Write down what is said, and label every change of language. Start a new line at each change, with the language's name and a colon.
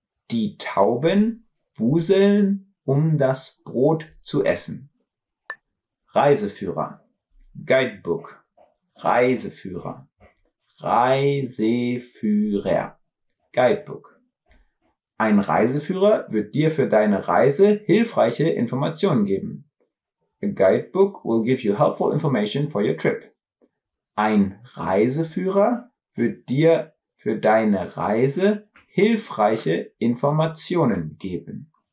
German: Die Tauben wuseln, um das Brot zu essen. Reiseführer, Guidebook, Reiseführer, Reiseführer, Guidebook. Ein Reiseführer wird dir für deine Reise hilfreiche Informationen geben.
English: A guidebook will give you helpful information for your trip.
German: Ein Reiseführer wird dir für deine Reise hilfreiche Informationen geben.